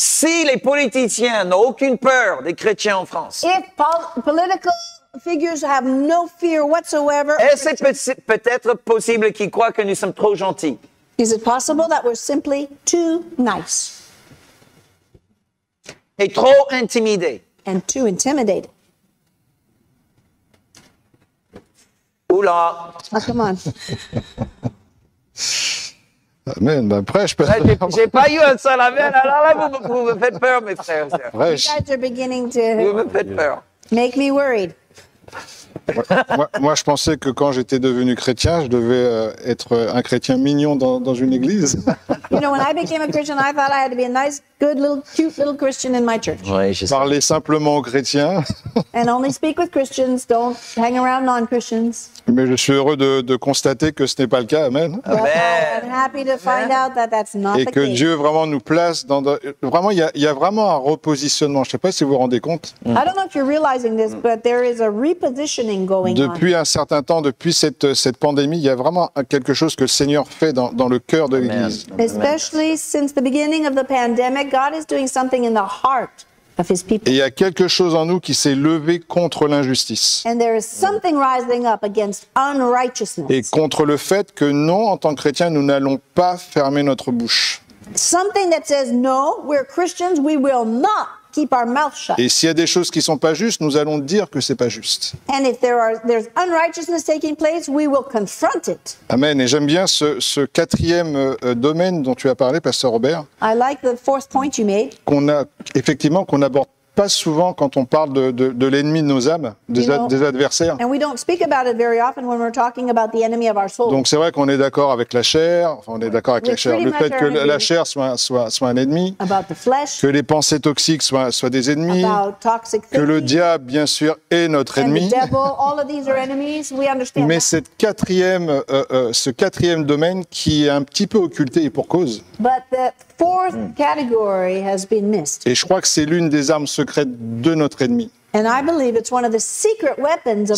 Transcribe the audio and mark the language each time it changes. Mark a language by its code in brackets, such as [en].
[fr] Si les politiciens n'ont aucune peur des chrétiens en France. [en] If political figures have no fear whatsoever. [fr] Est-ce peut-être possible qu'ils croient que nous sommes trop gentils? [en] Is it possible that we're simply too nice? [fr] Et trop intimidés. [en] And too intimidated. [fr] Oula. [en] Ah, come on. [fr] Amen, ben prêche. Ben, j'ai pas eu un seul amen. Alors là, vous me faites peur, mes frères. Prêche. [en] You guys are beginning to... [fr] Vous me faites peur. [en] Make me worried. [fr] Moi, je pensais que quand j'étais devenu chrétien, je devais être un chrétien mignon dans une église. [en] You know, when I became a Christian, I thought I had to be a nice, good, little, cute little Christian in my church. [fr] Ouais, parler simplement aux chrétiens. [en] And only speak with Christians. Don't hang around non-Christians. [fr] Mais je suis heureux de constater que ce n'est pas le cas. Amen. Amen. [en] I'm happy to find out that that's not the case. [fr] Et que Dieu vraiment nous place dans vraiment, il y a vraiment un repositionnement. Je ne sais pas si vous vous rendez compte. [en] I don't know if you're realizing this, but there is a repositioning going on. [fr] Depuis un certain temps, depuis cette pandémie, il y a vraiment quelque chose que le Seigneur fait dans le cœur de l'Église. [en] Especially since the beginning of the pandemic, God is doing something in the heart. [fr] Et il y a quelque chose en nous qui s'est levé contre l'injustice. [en] And there is something rising up against unrighteousness. [fr] Et contre le fait que non, en tant que chrétien, nous n'allons pas fermer notre bouche. [en] Something that says no, we're Christians, we will not keep our mouth shut. [fr] Et s'il y a des choses qui sont pas justes, nous allons dire que c'est pas juste. [en] And if there's unrighteousness taking place, we will confront it. [fr] Amen. Et j'aime bien ce quatrième domaine dont tu as parlé, Pasteur Robert. [en] I like the fourth point you made. [fr] Qu'on aborde pas souvent quand on parle de l'ennemi de nos âmes, des adversaires. [en] And we don't speak about it very often when we're talking about the enemy of our soul. [fr] Donc c'est vrai qu'on est d'accord avec la chair, enfin on est d'accord avec la chair, le fait que la chair soit un ennemi, [en] about the flesh, [fr] que les pensées toxiques soient des ennemis, [en] about toxic [fr] que le diable bien sûr est notre ennemi. [en] And the devil, all of these are enemies, we understand. [fr] Mais [en] that. [fr] ce quatrième domaine qui est un petit peu occulté et pour cause. [en] But the fourth category has been missed. [fr] Et je crois que c'est l'une des armes secrète de notre ennemi. [en] And I believe it's one of the secret weapons of